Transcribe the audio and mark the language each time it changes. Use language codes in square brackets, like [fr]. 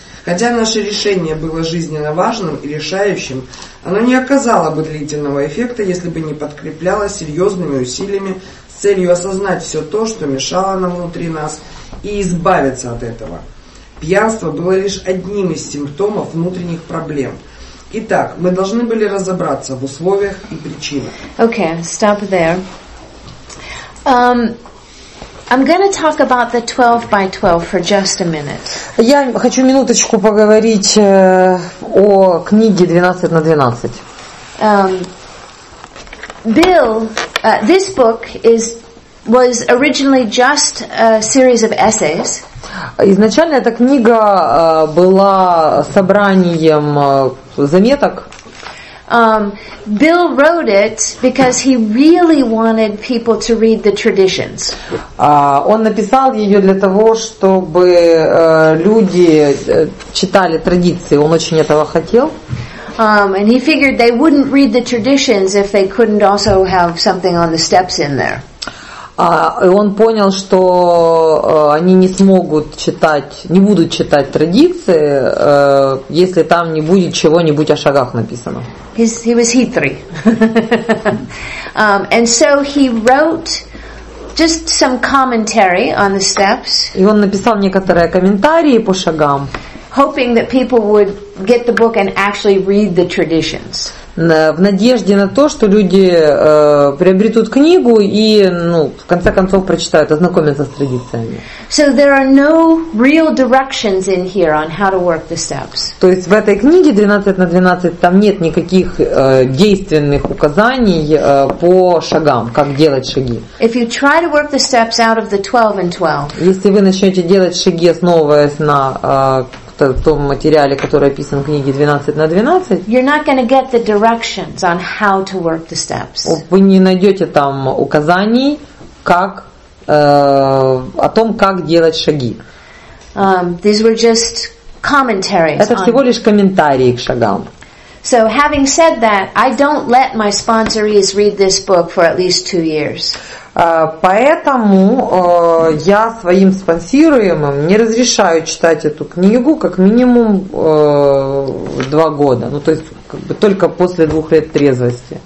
[ru] Хотя наше решение было жизненно важным и решающим, оно не оказало бы длительного эффекта, если бы не подкреплялось серьезными усилиями с целью осознать все то, что мешало нам внутри нас, и избавиться от этого. Пьянство было лишь одним из симптомов внутренних проблем. Итак, мы должны были разобраться в условиях и причинах. [en] Okay, stop there. I'm going to talk about the 12x12 for just a minute. [ru] Я хочу минуточку поговорить о книге 12x12. [en] This book was originally just a series of essays. [ru] Изначально эта книга была собранием заметок. [en] Bill wrote it because he really wanted people to read the traditions. [ru] Он написал ее для того, чтобы люди читали традиции. Он очень этого хотел. [en] And he figured they wouldn't read the traditions if they couldn't also have something on the steps in there. [ru] И он понял, что они не смогут читать, не будут читать традиции, если там не будет чего-нибудь о шагах написано. [en] He was [ru] hitri. [en] And so he wrote just some commentary on the steps. [ru] И он написал некоторые комментарии по шагам. [en] Hoping that people would get the book and actually read the traditions. [ru] в надежде на то, что люди приобретут книгу и, ну, в конце концов, прочитают, ознакомятся с традициями. [en] So there are no real directions in here on how to work the steps. [ru] То есть в этой книге 12 на 12 там нет никаких действенных указаний по шагам, как делать шаги. [en] If you try to work the steps out of the 12 and 12. [ru] Если вы начнете делать шаги, основываясь на в том материале, который описан в книге 12 на 12, [en] you're not going to get the directions on how to work the steps. [ru] Вы не найдете там указаний, как о том, как делать шаги. [en] These were just commentaries. [ru] Это всего лишь комментарии к шагам. [en] So having said that, I don't let my sponsorees read this book for at least 2 years. [ru] Поэтому я своим спонсируемым не разрешаю читать эту книгу как минимум 2 года. Ну, то есть, как бы только после 2 лет трезвости.